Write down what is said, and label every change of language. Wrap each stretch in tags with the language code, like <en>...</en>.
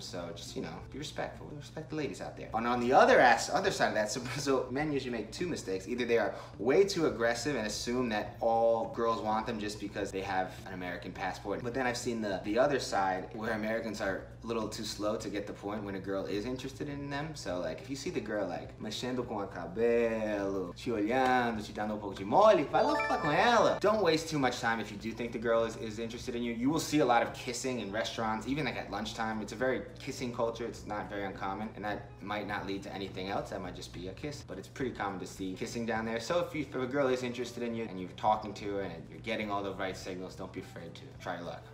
<en>So just, you know, be respectful. Respect the ladies out there. And on the other side of that, so men usually make two mistakes. Either they are way too aggressive and assume that all girls want them just because they have an American passport. But then I've seen the other side where Americans are a little too slow to get the point when a girl is interested in them. So like, if you see the girl like</en> <pt>mexendo com o cabelo, te olhando, te dando um pouco de mole, vai lá falar com ela.</pt> <en>Don't waste too much time if you do think the girl is interested in you. You will see a lot of kissing in restaurants, even like at lunchtime. It's a very kissing culture. It's not very uncommon, and that might not lead to anything else. That might just be a kiss, but it's pretty pretty common to see kissing down there. So if a girl is interested in you and you're talking to her and you're getting all the right signals, don't be afraid to try your luck.</en>